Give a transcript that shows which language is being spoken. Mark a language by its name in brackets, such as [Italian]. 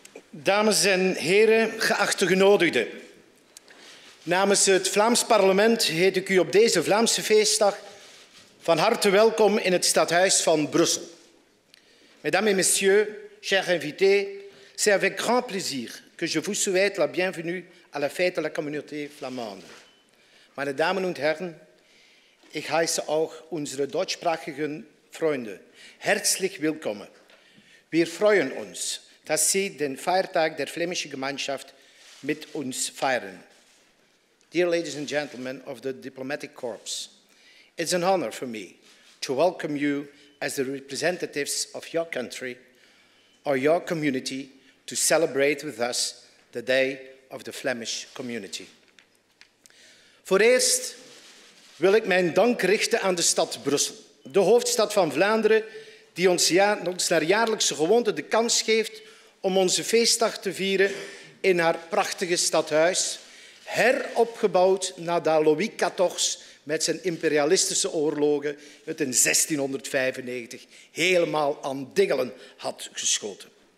[Dutch] Dames en heren, geachte genodigden. Namens het Vlaams parlement heet ik u op deze Vlaamse feestdag van harte welkom in het stadhuis van Brussel. [French] Mesdames et messieurs, chers invités, c'est avec grand plaisir que je vous souhaite la bienvenue à la fête de la communauté flamande. [German] Meine Damen und Herren, ich heiße auch unsere deutschsprachigen Freunde herzlich willkommen. Wir freuen uns, dass Sie den Feiertag der flämischen Gemeinschaft mit uns feiern. [English] Dear ladies and gentlemen of the Diplomatic Corps, it's an honor for me to welcome you as the representatives of your country or your community to celebrate with us the Day of the Flemish Community. [Dutch] Voor eerst wil ik mijn dank richten aan de stad Brussel, de hoofdstad van Vlaanderen, die ons naar jaarlijkse gewoonte de kans geeft om onze feestdag te vieren in haar prachtige stadhuis, heropgebouwd nadat Louis XIV met zijn imperialistische oorlogen het in 1695 helemaal aan diggelen had geschoten.